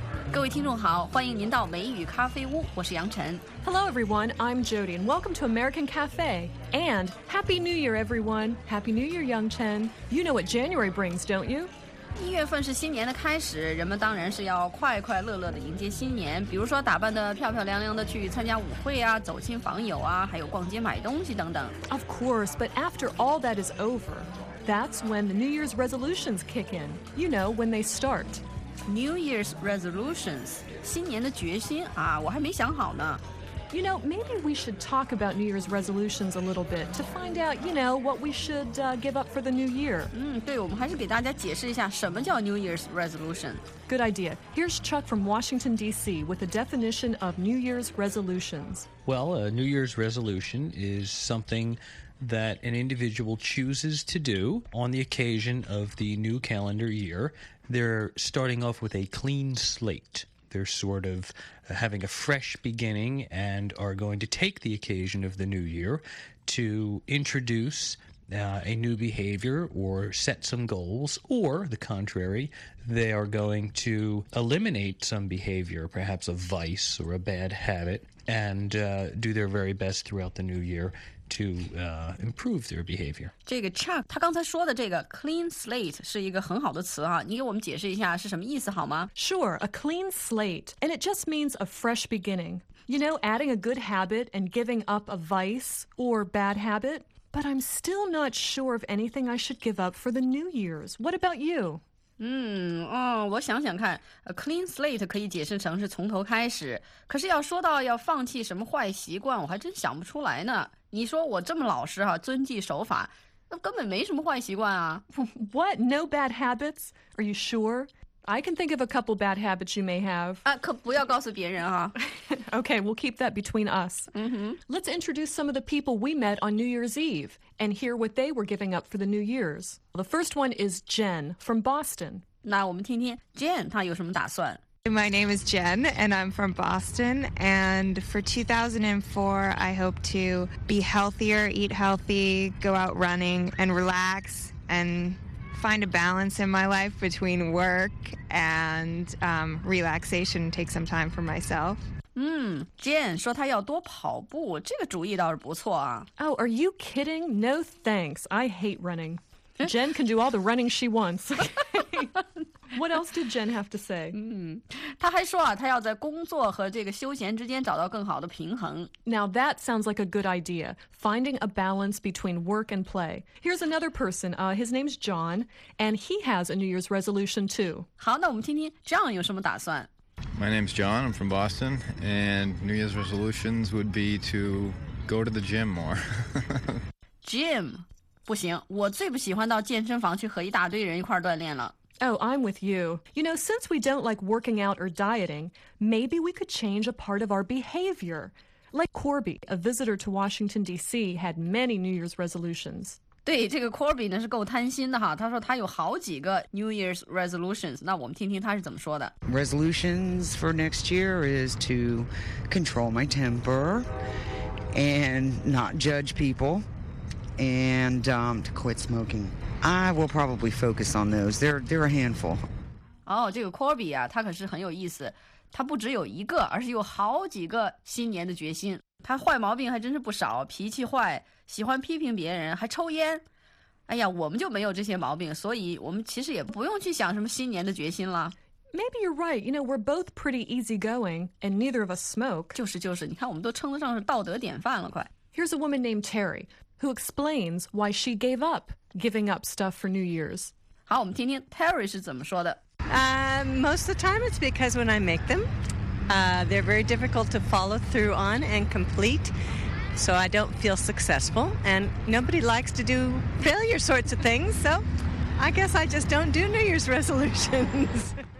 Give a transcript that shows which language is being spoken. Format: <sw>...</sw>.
<zh>各位听众好，欢迎您到美语咖啡屋，我是杨晨。</zh> <en>Hello everyone, I'm Jody, and welcome to American Cafe. And Happy New Year, everyone. Happy New Year, Yang Chen. You know what January brings, don't you?</en> <zh>一月份是新年的开始，人们当然是要快快乐乐的迎接新年，比如说打扮得漂漂亮亮的去参加舞会啊，走亲访友啊，还有逛街买东西等等。</zh> <en>Of course, but after all that is over, that's when the New Year's resolutions kick in. You know, when they start.</en> <zh>New Year's resolutions, 新年的决心啊，我还没想好呢。</zh> <en>You know, maybe we should talk about New Year's resolutions a little bit to find out, you know, what we should give up for the new year.</en> <zh>对，我们还是给大家解释一下什么叫 New Year's resolution.</zh> <en>Good idea. Here's Chuck from Washington, D.C. with a definition of New Year's resolutions. Well, a New Year's resolution is something that an individual chooses to do on the occasion of the new calendar year. They're starting off with a clean slate. They're sort of having a fresh beginning and are going to take the occasion of the new year to introduce a new behavior or set some goals, or the contrary, they are going to eliminate some behavior, perhaps a vice or a bad habit, and do their very best throughout the new year. To improve their behavior.</en> <zh>这个 Chuck, 他刚才说的这个 clean slate 是一个很好的词啊，你给我们解释一下是什么意思好吗？</zh> <en>Sure, a clean slate, and it just means a fresh beginning. You know, adding a good habit and giving up a vice or bad habit. But I'm still not sure of anything I should give up for the New Year's. What about you?</en> <zh>我想想看 ，a clean slate 可以解释成是从头开始。可是要说到要放弃什么坏习惯，我还真想不出来呢。你说我这么老实哈、啊，遵纪守法，那根本没什么坏习惯啊。</zh> <en>What? No bad habits? Are you sure? I can think of a couple bad habits you may have.</en> <zh>啊，可不要告诉别人啊。</zh> <en>Okay, we'll keep that between us. Let's introduce some of the people we met on New Year's Eve and hear what they were giving up for the New Year's. The first one is Jen from Boston.</en> <zh>那我们听听 Jen 她有什么打算。</zh> <en>My name is Jen, and I'm from Boston. And for 2004, I hope to be healthier, eat healthy, go out running, and relax, and find a balance in my life between work and relaxation, take some time for myself.</en> <zh>Jen 说她要多跑步，这个主意倒是不错啊。</zh> <en>Oh, are you kidding? No thanks. I hate running. Jen can do all the running she wants. What else did Jen have to say?</en> <zh>她还说啊，她要在工作和这个休闲之间找到更好的平衡。</zh> <en>Now that sounds like a good idea, finding a balance between work and play. Here's another person. His name's John, and he has a New Year's resolution too.</en> <zh>好，那我们听听 John 有什么打算。</zh> <en>My name's John, I'm from Boston, and New Year's resolutions would be to go to the gym more. Gym?</en> <zh>不行，我最不喜欢到健身房去和一大堆人一块锻炼了。</zh> <en>Oh, I'm with you. You know, since we don't like working out or dieting, maybe we could change a part of our behavior. Like Corby, a visitor to Washington, D.C., had many New Year's resolutions.</en> <zh>对这个 Corby 呢是够贪心的哈，他说他有好几个 New Year's resolutions， 那我们听听他是怎么说的。</zh> <en>Resolutions for next year is to control my temper and not judge people and to quit smoking. I will probably focus on those. They're a handful.</en> <zh>哦，这个 Corby 啊，他可是很有意思，他不只有一个，而是有好几个新年的决心。他坏毛病还真是不少，脾气坏，喜欢批评别人，还抽烟。哎呀，我们就没有这些毛病，所以我们其实也不用去想什么新年的决心了。</zh> <en>Maybe you're right. You know, we're both pretty easygoing, and neither of us smoke.</en> <zh>就是，你看我们都称得上是道德典范了，快。</zh> <en>Here's a woman named Terry, who explains why she gave up giving up stuff for New Year's.</en> <zh>好，我们听听 Terry 是怎么说的。</zh> <en>Most of the time it's because when I make them,they're very difficult to follow through on and complete, so I don't feel successful, and nobody likes to do failure sorts of things, so I guess I just don't do New Year's resolutions.</en>